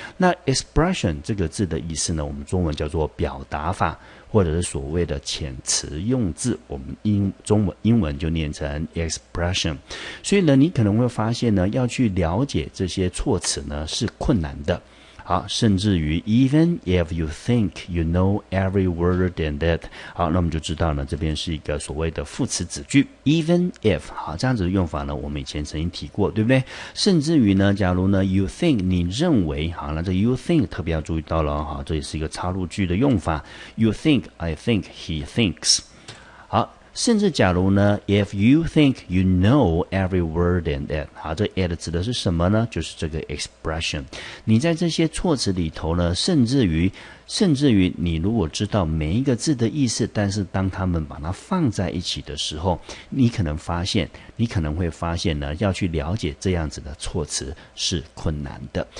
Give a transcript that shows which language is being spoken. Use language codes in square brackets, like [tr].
[zh] 那 expression 这个字的意思呢，我们中文叫做表达法，或者是所谓的遣词用字，我们英文就念成 expression。所以呢你可能会发现呢，要去了解这些措辞呢是困难的。好，甚至于 [en] even if you think you know every word in that。 [zh] 好，那我们就知道呢这边是一个所谓的副词子句 even if。好，这样子的用法呢我们以前曾经提过，对不对？甚至于呢，假如呢 [en] you think， [zh] 你认为。好，那这 [en] you think [zh] 特别要注意到了。好，这也是一个插入句的用法。 [en] you think， I think， he thinks。 [zh] 好，甚至假如呢 [en] if you think you know every word in it。 [zh] 好，这 it 指的是什么呢？就是这个 expression。你在这些措辞里头呢，甚至于你如果知道每一个字的意思，但是当他们把它放在一起的时候，你可能会发现呢要去了解这样子的措辞是困难的。